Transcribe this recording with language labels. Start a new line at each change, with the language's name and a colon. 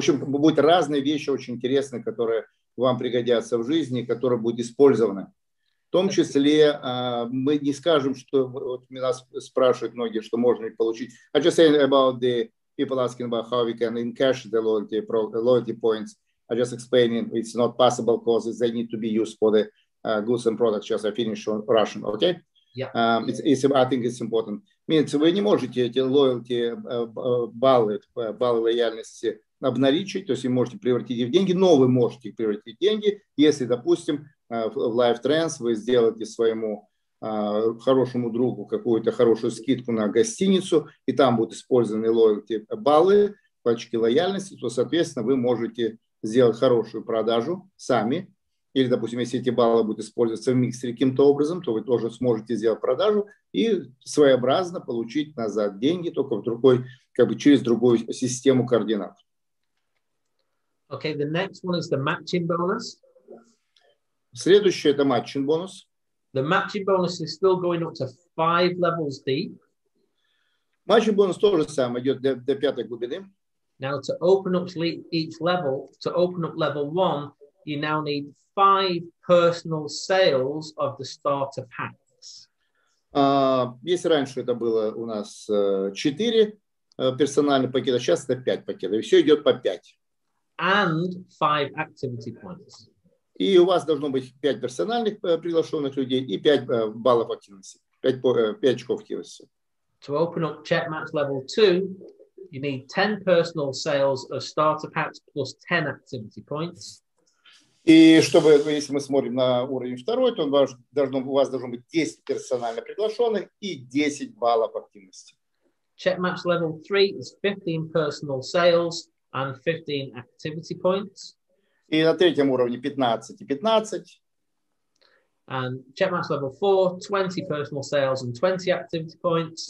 Russian: В общем, будут разные вещи очень интересные, которые вам пригодятся в жизни, которая будет использована. В том числе мы не скажем, что вот меня спрашивают многие, что можно получить.
English: I just saying about the people asking about how we can in cash the loyalty points. I just explaining it's not possible because they need to be used for the goods and products. Just I finish on Russian, okay? Yeah. I think it's important.
Russian: Means вы не можете эти loyalty баллы лояльности обналичить, то есть вы можете превратить их в деньги, но вы можете превратить в деньги, если, допустим, в LiveTrans вы сделаете своему хорошему другу какую-то хорошую скидку на гостиницу, и там будут использованы loyalty баллы, очки лояльности, то, соответственно, вы можете сделать хорошую продажу сами, или, допустим, если эти баллы будут использоваться в миксере каким-то образом, то вы тоже сможете сделать продажу и своеобразно получить назад деньги, только в другой, как бы через другую систему координат.
English: Okay, the next one is the matching bonus.
Russian: Следующее это matching bonus.
English: The matching bonus is still going up to 5 levels deep.
Russian: Matching bonus тоже самое, идет до пятой глубины.
English: Now to open up each level, to open up level 1, you now need 5 personal sales of the starter packs.
Russian: Если раньше это было у нас 4 персональных пакета, сейчас это 5 пакетов, и все идет по 5.
English: And 5 activity points.
Russian: И у вас должно быть 5 персональных приглашенных людей и 5 баллов активности, 5 очков активности.
English: To open up Checkmatch level 2, you need 10 personal sales of starter packs plus 10 activity points.
Russian: И чтобы, если мы смотрим на уровень второй, то у вас должно быть 10 персонально приглашенных и 10 баллов активности.
English: Checkmatch level 3 is 15 personal sales and 15 activity points.
Russian: И на третьем уровне 15 и 15.
English: And Checkmatch level 4, 20 personal sales and 20 activity points.